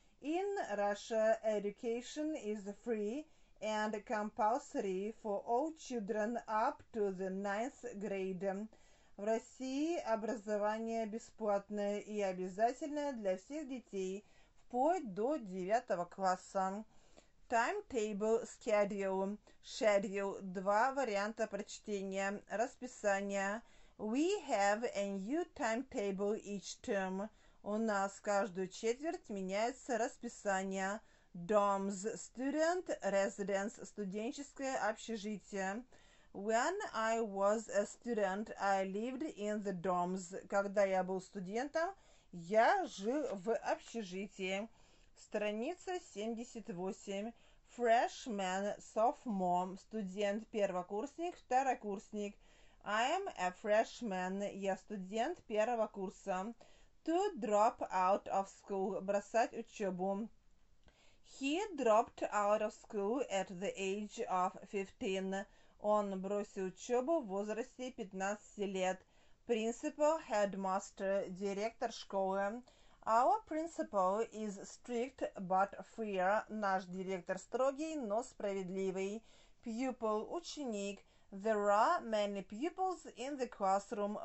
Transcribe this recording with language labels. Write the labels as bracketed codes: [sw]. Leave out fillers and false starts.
[en] In Russia education is free and compulsory for all children up to the 9th grade. [ru] В России образование бесплатное и обязательное для всех детей вплоть до 9-го класса. [en] Timetable schedule. Schedule – [ru] два варианта прочтения. [en] Расписание. We have a new timetable each term. [ru] У нас каждую четверть меняется расписание. [en] Dorms – student residence – [ru] студенческое общежитие. [en] When I was a student, I lived in the dorms. [ru] Когда я был студентом, я жил в общежитии. Страница 78. [en] Freshman – sophomore [ru] – студент, первокурсник, второкурсник. [en] I am a freshman – [ru] я студент первого курса. [en] To drop out of school – [ru] бросать учебу. [en] He dropped out of school at the age of 15. [ru] Он бросил учебу в возрасте 15 лет. [en] Principal, headmaster, [ru] директор школы. [en] Our principal is strict but fair. [ru] Наш директор строгий, но справедливый. [en] Pupil, ученик. There are many pupils in the classroom.